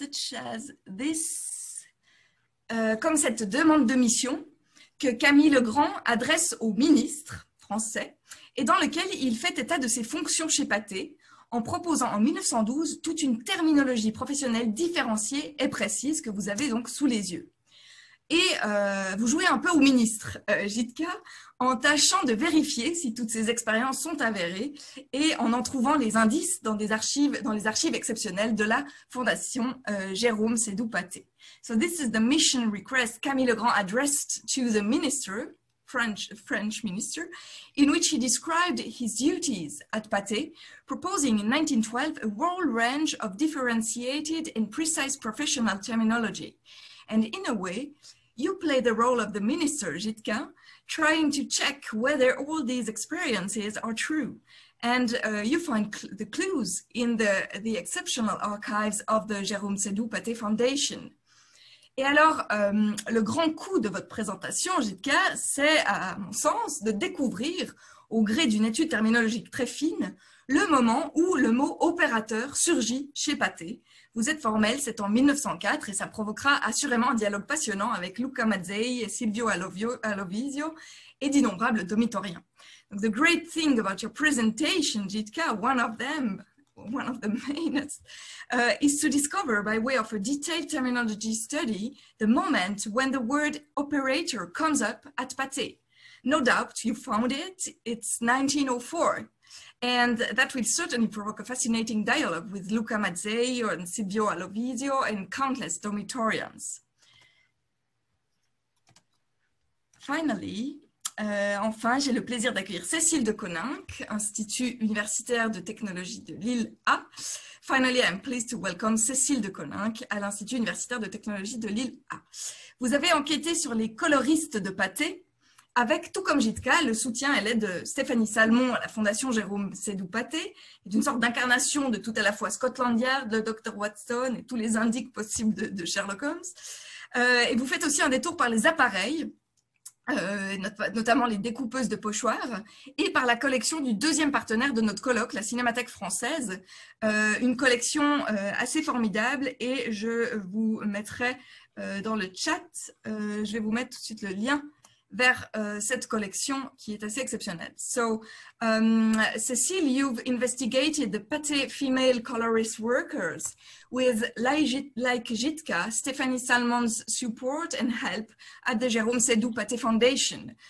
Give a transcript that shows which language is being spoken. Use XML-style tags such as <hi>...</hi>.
<fr>Comme cette demande de mission que Camille Legrand adresse au ministre français et dans lequel il fait état de ses fonctions chez Pathé en proposant en 1912 toute une terminologie professionnelle différenciée et précise que vous avez donc sous les yeux. Et vous jouez un peu au ministre, Gitka, en tâchant de vérifier si toutes ces expériences sont avérées et en trouvant les indices dans des archives, dans les archives exceptionnelles de la Fondation Jérôme Sédoux-Pathé.</fr> <en>So this is the mission request Camille Legrand addressed to the minister, French minister, in which he described his duties at Pathé, proposing in 1912 a whole range of differentiated and precise professional terminology. And in a way, you play the role of the minister, Gitquin, trying to check whether all these experiences are true. And you find cl the clues in the exceptional archives of the Jérôme Sédoux-Pathé Foundation.</en> <fr>Et alors, le grand coup de votre présentation, Gitquin, c'est, à mon sens, de découvrir, au gré d'une étude terminologique très fine, le moment où le mot opérateur surgit chez Pathé. Vous êtes formel, c'est en 1904 et ça provoquera assurément un dialogue passionnant avec Luca Mazzei et Silvio Alovisio et d'innombrables domitoriens.</fr> <en>The great thing about your presentation, Jitka, one of the main, is to discover by way of a detailed terminology study the moment when the word operator comes up at Pathé. No doubt you found it's 1904. And that will certainly provoke a fascinating dialogue with Luca Mazzei and Silvio Alovisio and countless dormitorians. Finally,</en> <fr>enfin, j'ai le plaisir d'accueillir Cécile de Coninck, Institut universitaire de technologie de Lille A.</fr> <en>Finally, I'm pleased to welcome Cécile de Coninck à l'Institut universitaire de technologie de Lille A.</en> <fr>Vous avez enquêté sur les coloristes de Pathé, avec, tout comme Gitka, le soutien et l'aide de Stéphanie Salmon à la Fondation Jérôme Sédoux-Pathé, d'une sorte d'incarnation de tout à la fois Scotland Yard, le Dr Watson et tous les indices possibles de Sherlock Holmes. Et vous faites aussi un détour par les appareils, notamment les découpeuses de pochoirs, et par la collection du deuxième partenaire de notre colloque, la Cinémathèque française, une collection assez formidable et je vous mettrai dans le chat, je vais vous mettre tout de suite le lien vers cette collection qui est assez exceptionnelle.</fr> <en>So, Cécile, you've investigated the Pathé female colorist workers with, like Gitka, Stéphanie Salmon's support and help at the Jérôme Sédoux-Pathé Foundation.</en>